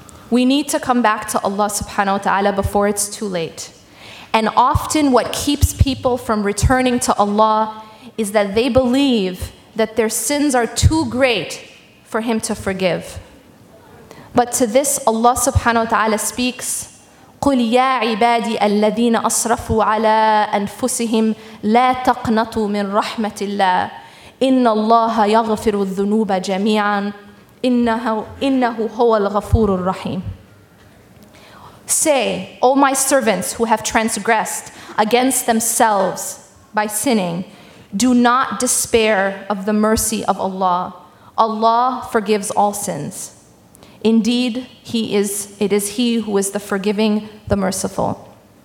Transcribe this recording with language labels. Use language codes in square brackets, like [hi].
[en] We need to come back to Allah subhanahu wa ta'ala before it's too late. And often what keeps people from returning to Allah is that they believe that their sins are too great for Him to forgive. But to this, Allah subhanahu wa ta'ala speaks, [ar] قُلْ يَا عِبَادِي أَلَّذِينَ أَصْرَفُوا عَلَىٰ أَنفُسِهِمْ لَا تَقْنَطُوا مِنْ رَحْمَةِ اللَّهِ إِنَّ اللَّهَ يَغْفِرُ الذُّنُوبَ جَمِيعًا إِنَّهُ هُوَ الْغَفُورُ الرَّحِيمُ. [en] Say, O my servants who have transgressed against themselves by sinning, do not despair of the mercy of Allah. Allah forgives all sins. Indeed, it is He who is the forgiving, the merciful.